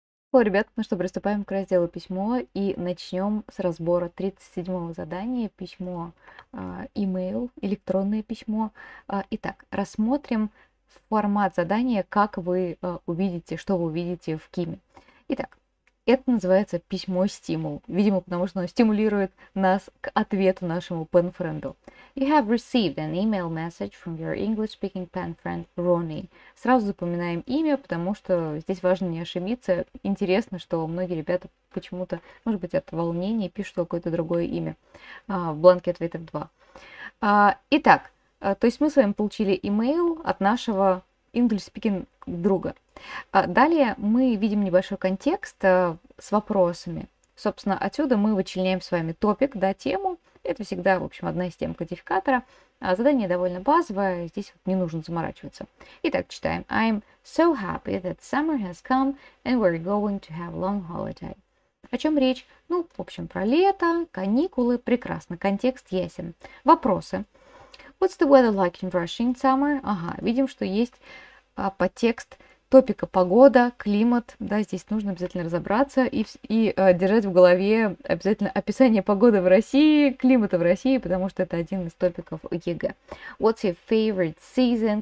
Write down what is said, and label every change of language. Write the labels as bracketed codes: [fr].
[ru] Ну, ребят, ну что, приступаем к разделу письмо и начнем с разбора 37-го задания, письмо, имейл, электронное письмо. Итак, рассмотрим формат задания, как вы увидите, что вы увидите в Киме. Итак, это называется письмо-стимул, видимо, потому что оно стимулирует нас к ответу нашему пен-френду. [en] You have received an email message from your English-speaking pen friend Ronnie. [ru] Сразу запоминаем имя, потому что здесь важно не ошибиться. Интересно, что многие ребята почему-то, может быть, от волнения пишут какое-то другое имя в бланке ответов 2. Итак, то есть мы с вами получили имейл от нашего [en] English-speaking [ru] друга. Далее мы видим небольшой контекст с вопросами. Собственно, отсюда мы вычленяем с вами топик, да, тему. Это всегда, в общем, одна из тем кодификатора. Задание довольно базовое, здесь не нужно заморачиваться. Итак, читаем. [en] I'm so happy that summer has come and we're going to have a long holiday. [ru] О чем речь? Ну, в общем, про лето, каникулы, прекрасно, контекст ясен. Вопросы. [en] What's the weather like in Russia in summer? [ru] Ага, видим, что есть подтекст топика погода, климат, да, здесь нужно обязательно разобраться и держать в голове обязательно описание погоды в России, климата в России, потому что это один из топиков ЕГЭ. [en] What's your favorite season?